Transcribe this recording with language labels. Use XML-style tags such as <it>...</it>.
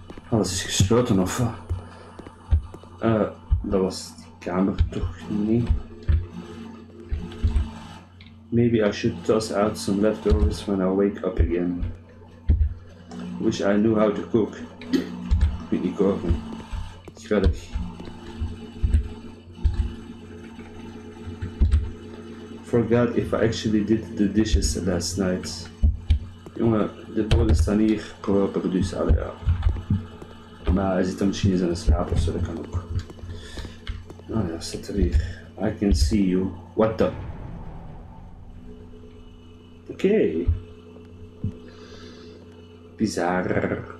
<nl>Alles is gesloten of wat? Dat was de kamer toch niet?</nl> <en>Maybe I should toss out some leftovers when I wake up again. Wish I knew how to cook.</en> <nl>Ik weet niet koken. Grappig.</nl> <en>Forgot if I actually did the dishes last night.</en> <nl>Jongen, de borden staan hier proper, dus alle ja. Maar hij zit er misschien eens aan het slapen, zo dat kan ook. Nou ja, zit er hier.</nl> <en>I can see you. What the?</en> <nl>Oké. Bizar.</nl>